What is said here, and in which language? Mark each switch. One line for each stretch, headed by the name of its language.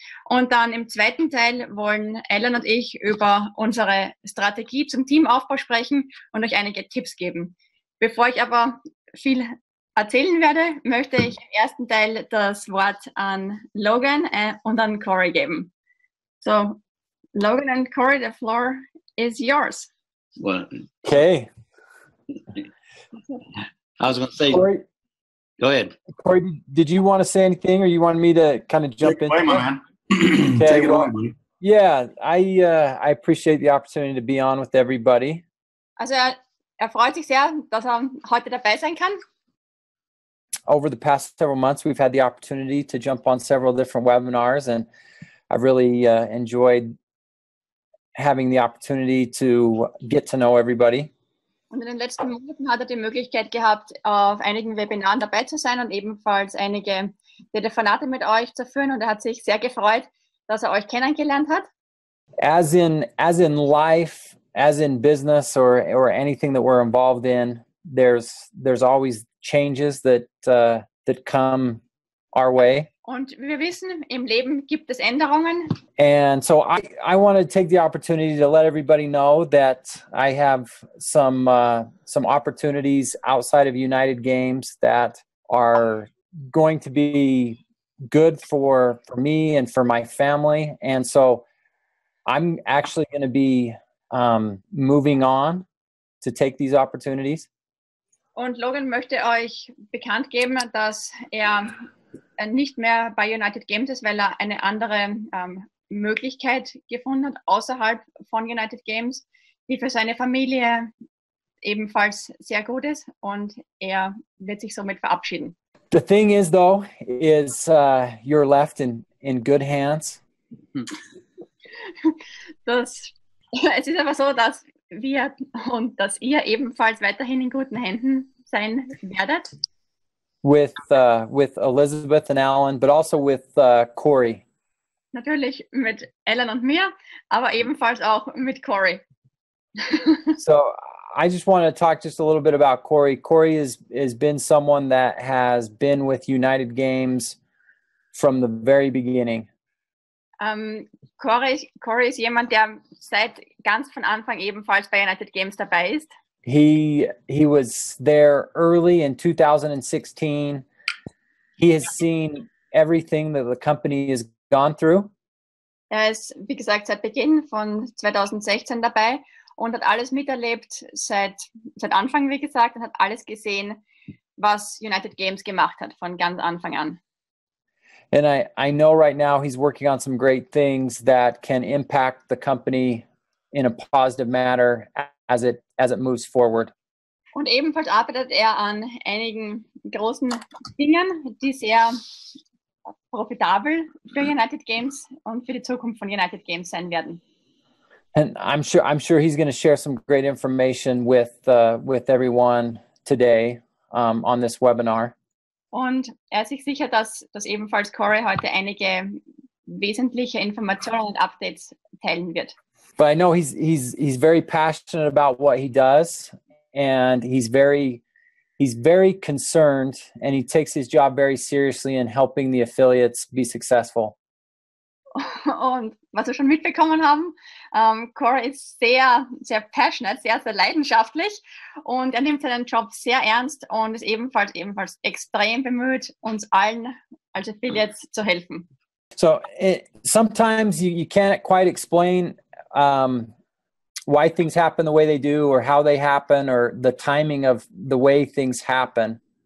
German: Und dann im zweiten Teil wollen Alan und ich über unsere Strategie zum Teamaufbau sprechen und euch einige Tipps geben. Bevor ich aber viel erzählen werde, möchte ich im ersten Teil das Wort an Logan und an Corey geben.
English: So, Logan and Corey, the floor is yours. Well, okay. I was going to say, Corey, go ahead. Corey, did you want to say anything or you want me to kind of jump take in? Away, my man. Okay, take it well, on, buddy. Yeah, I appreciate the opportunity to be on with everybody.
German: Also, freut sich sehr, dass heute dabei sein kann.
English: Over the past several months, we've had the opportunity to jump on several different webinars, and I've really enjoyed having the opportunity to get to know everybody.
German: Und in den letzten Monaten hat die Möglichkeit gehabt, auf einigen Webinaren dabei zu sein und ebenfalls einige Telefonate mit euch zu führen. Und hat sich sehr gefreut, dass euch kennengelernt hat.
English: As in life, as in business or anything that we're involved in, there's always changes that come our way.
German: Und wie wir wissen, im Leben gibt es Änderungen.
English: And so I want to take the opportunity to let everybody know that I have some opportunities outside of United Games that are going to be good for me and for my family. And so I'm actually going to be moving on to take these opportunities.
German: Und Logan möchte euch bekannt geben, dass er nicht mehr bei United Games ist, weil er eine andere Möglichkeit gefunden hat außerhalb von United Games, die für seine Familie ebenfalls sehr gut ist, und er wird sich somit verabschieden.
English: The thing is though, is you're left in good hands.
German: Es ist aber so, dass wir und dass ihr ebenfalls weiterhin in guten Händen sein werdet.
English: With Elizabeth and Alan, but also with Corey.
German: Natürlich mit Alan und mir, aber ebenfalls auch mit Corey.
English: So I just want to talk just a little bit about Corey. Corey has been someone that has been with United Games from the very beginning.
German: Corey ist jemand, der seit ganz von Anfang ebenfalls bei United Games dabei ist.
English: He was there early in 2016. He has seen everything that the company has gone through.
German: Er ist, wie gesagt, seit Beginn von 2016 dabei und hat alles miterlebt seit Anfang, wie gesagt, und hat alles gesehen, was United Games gemacht hat von ganz Anfang an.
English: And I know right now he's working on some great things that can impact the company in a positive manner as it moves forward.
German: Und ebenfalls arbeitet an einigen großen Dingen, die sehr profitabel für United Games und für die Zukunft von United Games sein werden.
English: And I'm sure he's going to share some great information with everyone today on this webinar.
German: Und sich sicher, dass ebenfalls Corey heute einige wesentliche Informationen und Updates teilen wird.
English: But I know he's very passionate about what he does, and he's very concerned, and he takes his job very seriously in helping the affiliates be successful.
German: Und was wir schon mitbekommen haben, Corey ist sehr, sehr passionate, sehr, sehr leidenschaftlich, und nimmt seinen Job sehr ernst und ist ebenfalls extrem bemüht, uns allen als Affiliates zu helfen.
English: So sometimes you can't quite explain why things happen the way they do, or how they happen, or the timing of the way things happen.